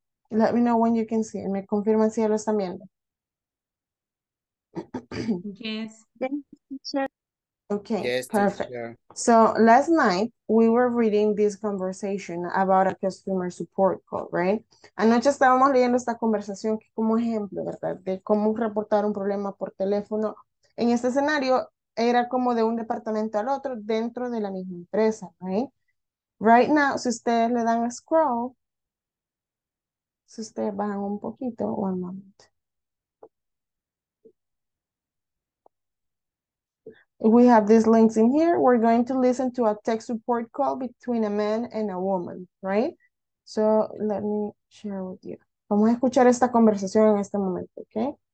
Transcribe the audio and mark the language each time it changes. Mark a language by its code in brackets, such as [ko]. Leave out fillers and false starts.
[en] Let me know when you can see it. [es] Me confirman si ya lo están viendo. [en] Yes. Okay, yes, perfect. So last night, we were reading this conversation about a customer support call, right? [es] Anoche estábamos leyendo esta conversación como ejemplo, ¿verdad? De cómo reportar un problema por teléfono. En este escenario, era como de un departamento al otro dentro de la misma empresa, right? [en] Right now, [es] si ustedes le dan a scroll, si ustedes bajan un poquito, [en] one moment. We have these links in here. We're going to listen to a tech support call between a man and a woman, right? So let me share with you. [es] Vamos a escuchar esta conversación en este momento, okay?